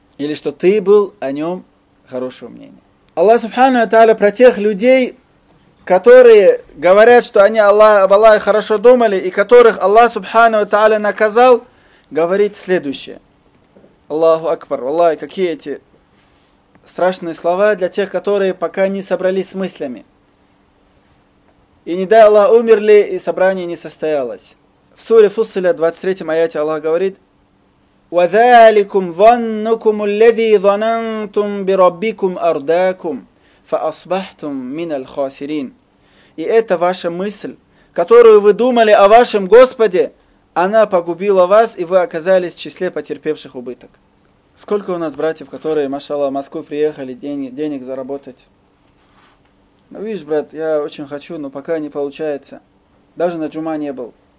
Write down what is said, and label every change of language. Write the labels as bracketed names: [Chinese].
[Russian] Или что ты был о нем хорошего мнения. Аллах Субхану ва Тааля про тех людей, которые говорят, что они об Аллахе хорошо думали, и которых Аллах Субхану ва Тааля наказал, говорит следующее. Аллаху Акбар, Аллах, какие эти страшные слова для тех, которые пока не собрались с мыслями. И не дай Аллах умерли, и собрание не состоялось. В суре Фуссиля, 23 аяте, Аллах говорит, [Arabic] وَذَٰلِكُمْ ظَنُّكُمُ الَّذِي ظَنَنْتُمْ بِرَبِّكُمْ أَرْدَاكُمْ فَأَصْبَحْتُمْ مِنَ الْخَاسِرِينَ. [Russian] И это ваша мысль, которую вы думали о вашем Господе, она погубила вас, и вы оказались в числе потерпевших убыток. Сколько у нас братьев, которые, машаллах, в Москву приехали денег заработать? Ну, видишь, брат, я очень хочу, но пока не получается. Даже на джума не был.